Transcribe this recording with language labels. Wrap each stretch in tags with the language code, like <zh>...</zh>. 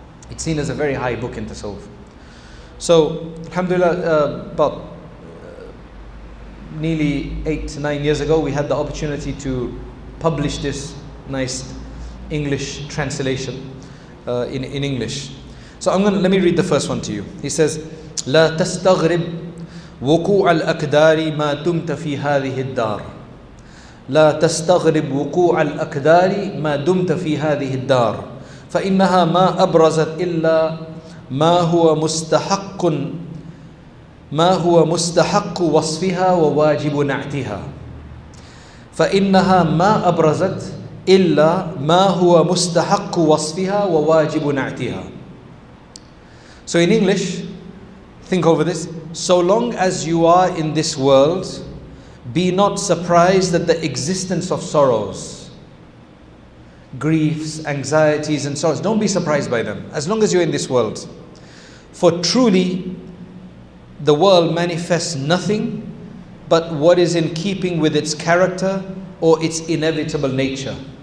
<en>It's seen as a very high book in Tasawwuf. So, alhamdulillah, about nearly 8 to 9 years ago, we had the opportunity to publish this nice English translation in English. So let me read the first one to you. He says,</en> <ar>لا تستغرب وقوع الأقدار ما دمت في هذه الدار. لا تستغرب وقوع الأقدار ما دمت في هذه الدار. فإنها ما أبرزت إلا ما هو مستحق وصفها وواجب نعتها. فإنها ما أبرزت إلا ما هو مستحق وصفها وواجب نعتها.</ar> <en>So in English, think over this. So long as you are in this world, be not surprised at the existence of sorrows, griefs, anxieties and sorrows. Don't be surprised by them, as long as you're in this world. For truly, the world manifests nothing but what is in keeping with its character or its inevitable nature.</en>